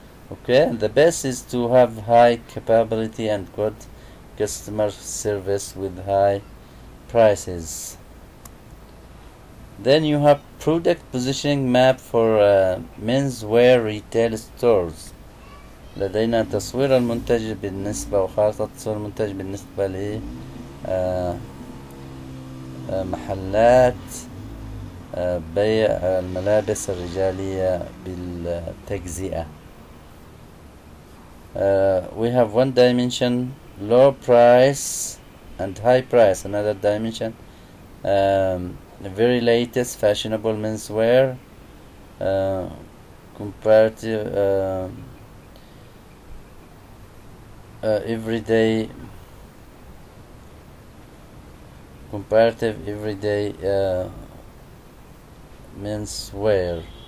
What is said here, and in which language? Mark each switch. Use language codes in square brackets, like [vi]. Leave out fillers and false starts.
[en] Okay, the best is to have high capability and good customer service with high prices. Then you have product positioning map for menswear retail stores. [ar] لدينا تصوير المنتج بالنسبة وخارطة تصوير المنتج بالنسبة ل محلات بيع الملابس الرجالية بالتجزئة. [en] We have one dimension low price and high price, another dimension very latest fashionable menswear, comparative everyday, comparative everyday menswear.